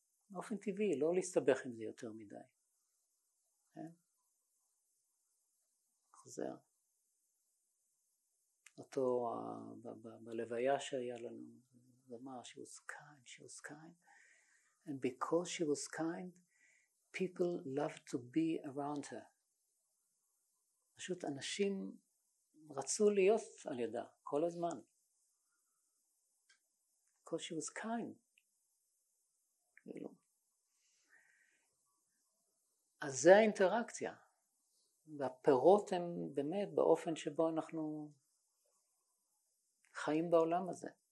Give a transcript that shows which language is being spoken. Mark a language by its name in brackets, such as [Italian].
[Hebrew] באופן טבעי, לא להסתבך עם זה יותר מדי. חוזר. אותו בלוויה שהיה לנו, הוא אמר, [English] she was kind, she was kind. And because she was kind, people love to be around her. [Hebrew] פשוט אנשים רצו להיות על ידה כל הזמן. [English] Because she was kind. [Hebrew] אז זה האינטראקציה. והפירות הם באמת באופן שבו אנחנו חיים בעולם הזה.